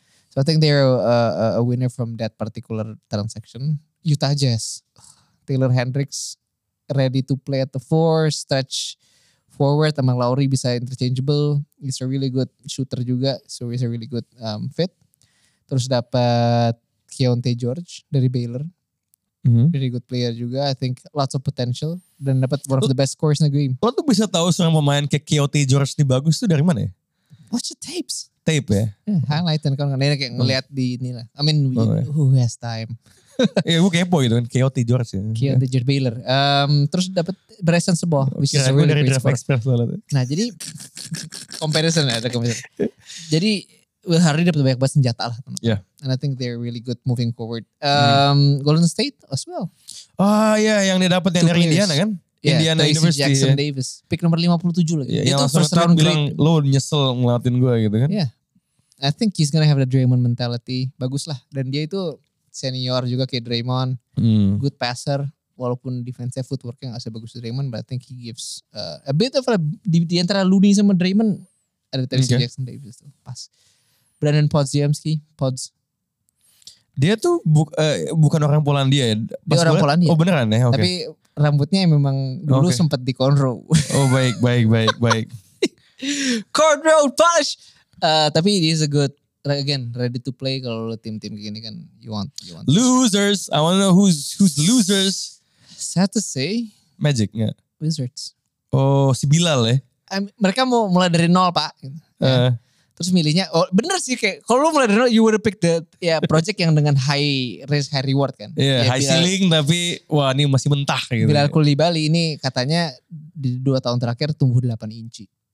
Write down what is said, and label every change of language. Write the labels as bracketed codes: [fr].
[en] So I think they're a winner from that particular transaction. Utah Jazz. Taylor Hendricks ready to play at the four. Stretch forward [id] sama Lowry bisa [en] interchangeable. He's a really good shooter [id] juga. [en] So he's a really good fit. [id] Terus dapat Keontae George dari Baylor. [en] Very good player [id] juga, [en] I think lots of potential [id] dan dapat [en] one of the best scores in the game. [id] Lo tuh bisa tahu seorang pemain kayak Keontae George ini bagus tuh dari mana ya? [en] Watch the tapes. [id] Tape ya? Highlight dan kawan-kawan ini kayak ngeliat di inilah. [en] I mean, who has time? [id] Ya, gue kepo gitu kan, Keontae George. Keontae George Baylor. Terus dapat [en] Bryson Sebuah, which is a really great score. Express, [id] nah, jadi comparison ya. Jadi, Will Hardy dapat banyak banget senjata lah. [en] Yeah. And I think they're really good moving forward. Golden State as well. [id] Oh iya, [en] yeah, [id] yang dia dapat yang dari Indiana kan? [en] Yeah, Indiana Tracy University. Jackson yeah. [id] Davis. Pick nomor 57 lagi. [en] Yeah, [id] yang [en] first round [id] bilang, lo nyesel ngelawatin gue gitu kan? [en] Yeah. I think he's gonna have the Draymond mentality. [id] Bagus lah. Dan dia itu senior juga kayak Draymond. [en] Good passer. [id] Walaupun defensive footwork yang gak sebagus Draymond. [en] But I think he gives a bit of a... [id] Di antara Looney sama Draymond. Ada Tracy Jackson Davis tuh. Pas. Brandon Podziemski, Pods. Dia tuh bukan orang Polandia ya? Dia orang Polandia. Oh beneran ya? Okay. Tapi rambutnya memang dulu sempat di cornrow. Oh baik. [en] Cornrow, polish! [id] Tapi [en] he's a good, again, ready to play [id] kalau tim-tim gini kan [en] you want. Losers! I want to know who's losers. Sad to say. Magic, [id] ya? [en] Yeah. Wizards. [id] Oh, si Bilal ya? Mereka mau mulai dari nol, Pak. Terus milihnya, oh bener sih kayak, kalau lu mulai dari [en] you would pick the yeah, [id] project yang dengan [en] high risk, high reward [id] kan. Iya, yeah, [en] high ceiling [id] tapi, wah ini masih mentah gitu. Bilal Coulibaly ini katanya, di 2 tahun terakhir tumbuh 8 inci.